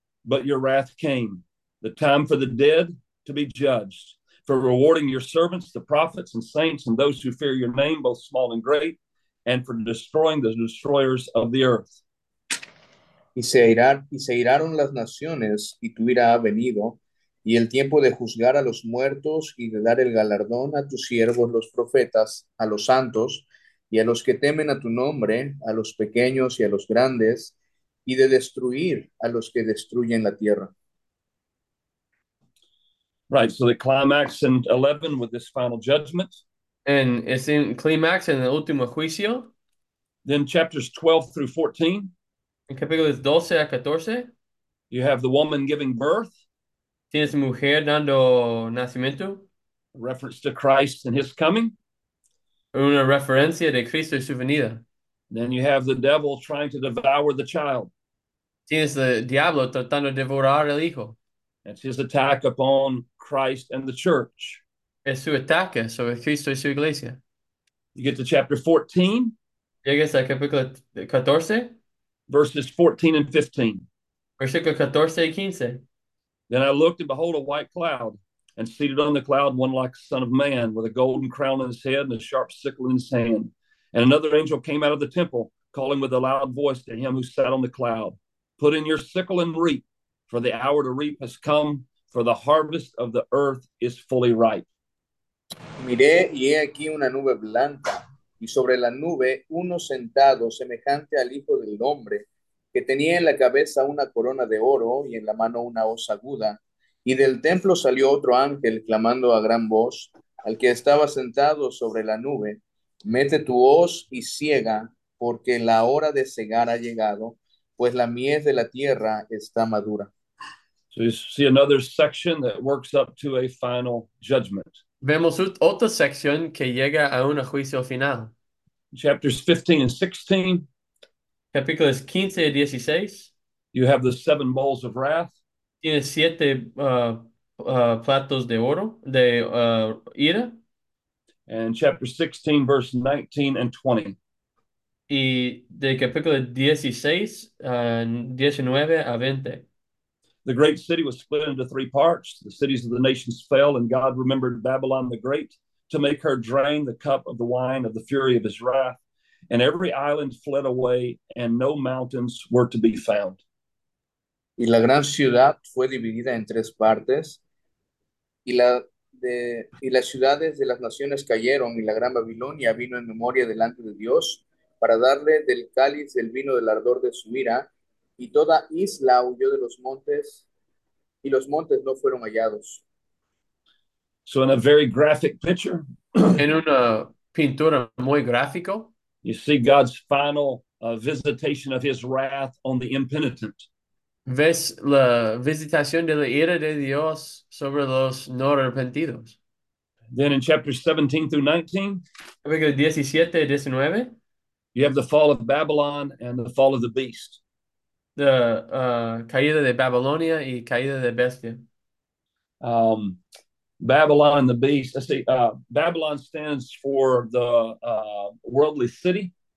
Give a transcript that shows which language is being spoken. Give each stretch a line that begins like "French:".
English: but your wrath came, the time for the dead to be judged, for rewarding your servants, the prophets and saints, and those who fear your name, both small and great, and for destroying the destroyers of the earth.
Spanish: Y se airaron las naciones, y tu ira ha venido, y el tiempo de juzgar a los muertos y de dar el galardón a tus siervos, los profetas, a los santos y a los que temen a tu nombre, a los pequeños y a los grandes, y de destruir a los que destruyen la tierra.
English: Right, so the climax in 11 with this final judgment. And it's in climax in the
Spanish: último juicio.
English: Then chapters 12 through 14.
Spanish: En capítulos 12 a 14.
English: You have the woman giving birth.
Spanish: Tienes mujer dando nacimiento.
English: A reference to Christ and his coming.
Spanish: Una referencia de Cristo y su venida.
English: Then you have the devil trying to devour the child.
Spanish: Tienes el diablo tratando de devorar el hijo.
English: It's his attack upon Christ and the church.
Spanish: Es su ataque sobre Cristo y su iglesia.
English: You get to chapter 14.
Spanish: Llegas al capítulo 14.
English: Verses 14 and 15.
Spanish: Versículo 14 y 15.
English: Then I looked and behold a white cloud, and seated on the cloud one like the Son of Man, with a golden crown on his head and a sharp sickle in his hand. And another angel came out of the temple, calling with a loud voice to him who sat on the cloud, "Put in your sickle and reap, for the hour to reap has come, for the harvest of the earth is fully ripe."
Spanish: Miré, y he aquí una nube blanca, y sobre la nube uno sentado, semejante al Hijo del Hombre, que tenía en la cabeza una corona de oro y en la mano una hoz aguda. Y del templo salió otro ángel, clamando a gran voz al que estaba sentado sobre la nube, "Mete tu hoz y siega, porque la hora de segar ha llegado, pues la mies de la tierra está madura."
English: So you see another section that works up to a final judgment.
Spanish: Vemos otra sección que llega a un juicio final.
English: Chapters 15 and 16.
Spanish: Capítulos 15 y 16.
English: You have the seven bowls of wrath.
Spanish: Tiene siete platos de oro, de ira.
English: And chapter 16, verse 19 and 20.
Spanish: Y de capítulo 16, 19 a 20.
English: The great city was split into three parts. The cities of the nations fell, and God remembered Babylon the Great to make her drain the cup of the wine of the fury of his wrath. And every island fled away, and no mountains were to be found.
Spanish: Y la gran ciudad fue dividida en tres partes, y las ciudades de las naciones cayeron, y la gran Babilonia vino en memoria delante de Dios para darle del cáliz del vino del ardor de su ira, y toda isla huyó de los montes, y los montes no fueron hallados.
English: So in a very graphic picture,
Spanish: en una pintura muy gráfico,
English: you see God's final visitation of his wrath on the impenitent.
Spanish: Ves la visitación de la ira de Dios sobre los no arrepentidos.
English: Then in chapters 17 through 19,
Spanish: 17, 19,
English: you have the fall of Babylon and the fall of the beast.
Spanish: The caída de Babilonia y caída de bestia.
English: Babylon and the beast. I see. Babylon stands for the worldly city.